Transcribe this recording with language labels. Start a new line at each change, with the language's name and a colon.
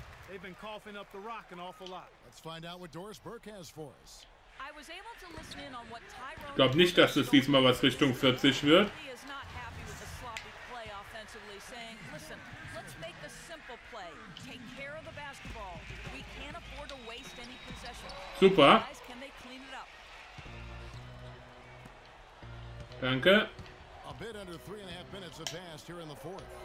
English: They've been coughing up the rock an awful lot. Let's find out what Doris Burke has for us. I was able to listen in on what Tyrone.
German: Ich glaube nicht, dass es diesmal was Richtung 40 wird.
English: He is not happy with the sloppy play offensively, saying, listen, let's make the simple play. Take care of the basketball. We can't afford to waste any possession. Super. Can they clean it up?
German: Danke.
English: A bit under 3.5 minutes have passed here in the fourth.